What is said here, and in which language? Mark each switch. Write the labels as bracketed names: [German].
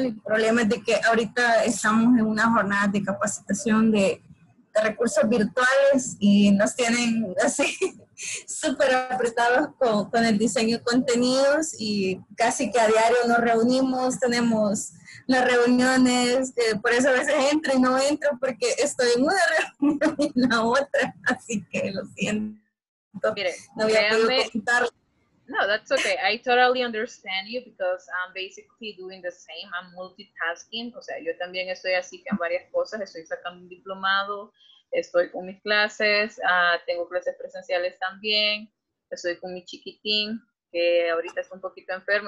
[Spanish] El problema es de que ahorita estamos en una jornada de capacitación de recursos virtuales y nos tienen así súper apretados con el diseño de contenidos y casi que a diario nos reunimos, tenemos las reuniones, por eso a veces entro y no entro porque estoy en una reunión y en la otra, así que lo siento. [English] No, that's okay. I totally understand you because I'm basically doing the same. I'm multitasking. [Spanish] O sea, yo también estoy así que en varias cosas. Estoy sacando un diplomado. Estoy con mis clases. Tengo clases presenciales también. Estoy con mi chiquitín, que ahorita está un poquito enfermo.